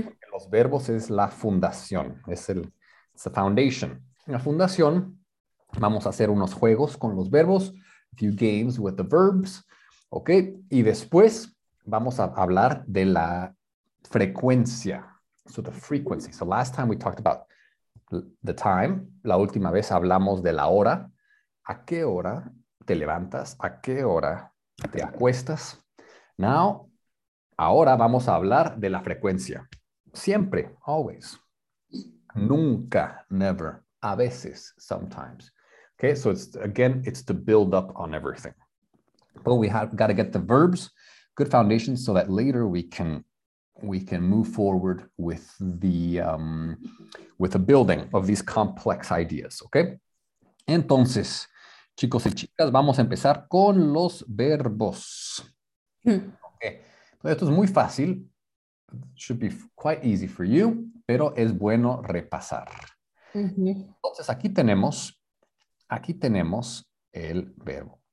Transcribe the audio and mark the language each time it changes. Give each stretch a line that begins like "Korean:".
Spanish: Porque los verbos es la fundación, es el
English: it's the foundation.
Spanish: En la fundación vamos a hacer unos juegos con los verbos,
English: a few games with the verbs.
Spanish: ¿Ok? Y después vamos a hablar de la frecuencia.
English: So the frequency. So last time we talked about the time.
Spanish: La última vez hablamos de la hora. ¿A qué hora te levantas? ¿A qué hora te acuestas? Now, ahora vamos a hablar de la frecuencia. Siempre, always. Nunca, never, a veces, sometimes.
English: Okay, so it's again, it's to build up on everything. But we have got to get the verbs, good foundation, so that later we can move forward with the with a building of these complex ideas. Okay.
Spanish: Entonces, chicos y chicas, vamos a empezar con los verbos. Okay. Esto es muy fácil.
English: Should be quite easy for you,
Spanish: pero es bueno repasar. Entonces, aquí tenemos el verbo.